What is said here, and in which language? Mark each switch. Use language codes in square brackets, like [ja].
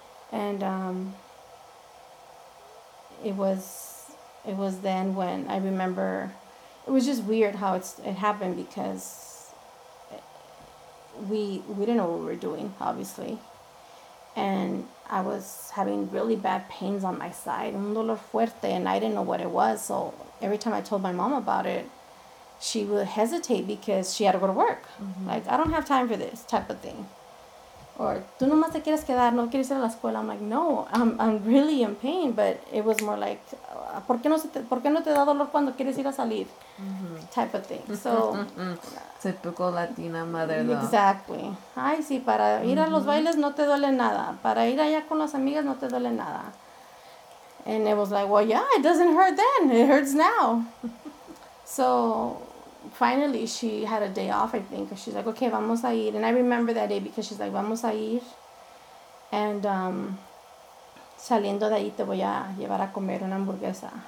[en] And it was then when I remember, it was just weird how it happened, because we didn't know what we were doing, obviously. And I was having really bad pains on my side, [es] un dolor fuerte, [en] and I didn't know what it was. So every time I told my mom about it, she would hesitate because she had to go to work. Mm-hmm. Like, I don't have time for this type of thing. [es] Or, tú nomás te quieres quedar, no quieres ir a la escuela. [en] I'm like, no, I'm really in pain. But it was more like, [es] ¿por qué no te da dolor cuando quieres ir a salir? Mm-hmm. [en] Type of thing. So, typical Latina mother, though. Exactly. [es] Ay, sí, para mm-hmm. ir a los bailes no te duele nada. Para ir allá con las amigas no te duele nada. [en] And it was like, well, yeah, it doesn't hurt then. It hurts now. So, finally, she had a day off, I think. She's like, okay, [es] vamos a ir. [en] And I remember that day because she's like, vamos a ir. [es] And saliendo de ahí, te voy a llevar a comer una hamburguesa.